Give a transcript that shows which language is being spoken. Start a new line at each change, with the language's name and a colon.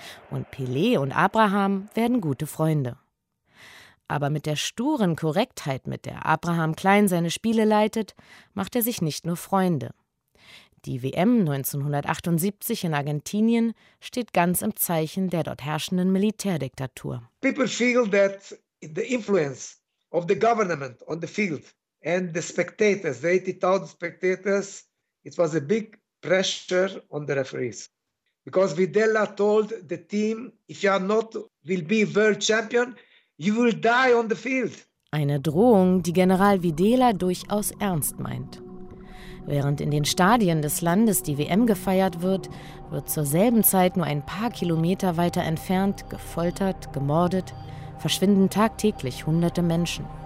German: Und Pelé und Abraham werden gute Freunde. Aber mit der sturen Korrektheit, mit der Abraham Klein seine Spiele leitet, macht er sich nicht nur Freunde. Die WM 1978 in Argentinien steht ganz im Zeichen der dort herrschenden Militärdiktatur.
English: People feel that the influence of the government on the field and the spectators, the 80,000 spectators, it was a big pressure on the referees. Because Videla told the team, if you are not, will be world champion, you will die on the field.
German: Eine Drohung, die General Videla durchaus ernst meint. Während in den Stadien des Landes die WM gefeiert wird, wird zur selben Zeit nur ein paar Kilometer weiter entfernt gefoltert, gemordet, verschwinden tagtäglich hunderte Menschen.